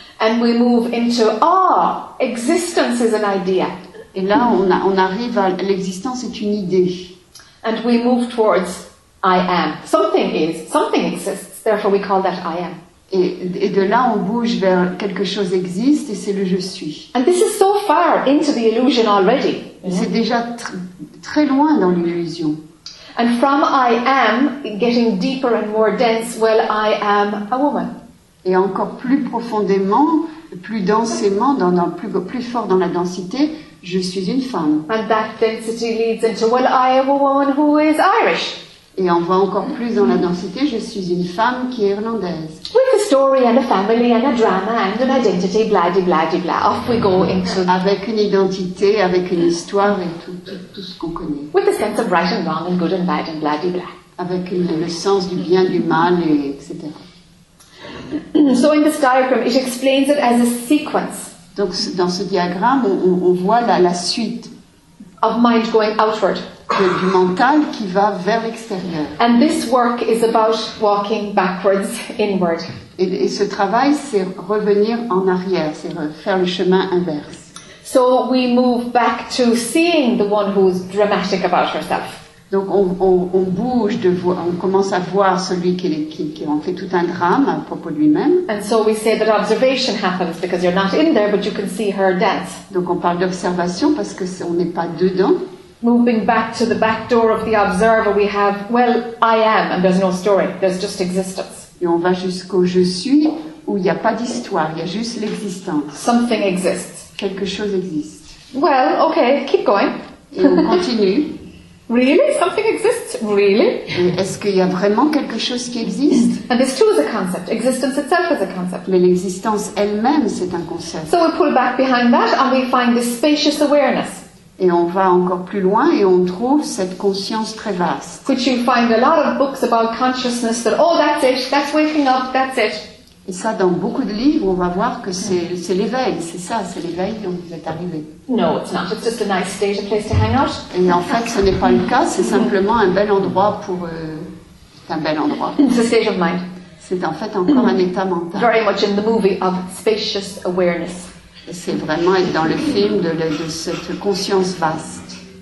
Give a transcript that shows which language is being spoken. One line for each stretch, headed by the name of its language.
English: And we move into existence is an idea.
French: Et là, on arrive à l'existence est une idée.
English: And we move towards I am. Something is, something exists. Therefore, we call that I am.
French: Et de là, on bouge vers quelque chose existe et c'est le je suis.
English: And this is so far into the illusion already.
French: C'est déjà très loin dans l'illusion.
English: And from I am, getting deeper and more dense, well, I am a woman.
French: Et encore plus profondément, plus densément, plus fort dans la densité, je suis une femme.
English: And that density leads into, well, I am a woman who is Irish.
French: Et on voit encore plus dans la densité, je suis une femme qui est irlandaise.
English: With a story and a family and a drama and an identity, blah-di-blah-di-blah. Off we go into...
French: Avec une identité, avec une histoire et tout ce qu'on connaît.
English: With a sense of right and wrong and good and bad and blah-di-blah.
French: Avec le sens du bien, du mal, et etc.
English: So in this diagram, it explains it as a sequence.
French: Donc dans ce diagramme, on voit la suite.
English: Of mind going outward.
French: Du mental qui va vers l'extérieur.
English: And this work is about walking backwards inward.
French: Et ce travail, c'est revenir en arrière, c'est faire le chemin inverse.
English: So we move back to seeing the one who's dramatic about herself.
French: Donc on bouge de voir, on commence à voir celui qui en fait tout un drame à propos de lui-même.
English: And so we say that observation happens because you're not in there, but you can see her dance.
French: Donc on parle d'observation parce que on n'est pas dedans.
English: Moving back to the back door of the observer, we have, well, I am, and there's no story, there's just existence.
French: Et on va jusqu'au je suis, où il n'y a pas d'histoire, il y a juste l'existence.
English: Something exists.
French: Quelque chose existe.
English: Well, okay, keep going.
French: Et on continue.
English: Really? Something exists? Really?
French: Est-ce qu'il y a vraiment quelque chose qui existe?
English: And this too is a concept. Existence itself is a concept.
French: Mais l'existence elle-même, c'est un concept.
English: So we pull back behind that, and we find this spacious awareness.
French: Et on va encore plus loin et on trouve cette conscience très vaste.
English: Which you find a lot of books about consciousness that, oh, that's it, that's waking up, that's it.
French: Et ça, dans beaucoup de livres, on va voir que c'est l'éveil, c'est ça, c'est l'éveil dont vous êtes arrivé.
English: No, it's not. It's just a nice stage, a place to hang out.
French: Et en fait, ce n'est pas le cas, c'est simplement un bel endroit pour... C'est un bel endroit.
English: It's a stage of mind.
French: C'est en fait encore un état mental.
English: Very much in the movie of spacious awareness.
French: C'est vraiment être dans le film de cette conscience vaste.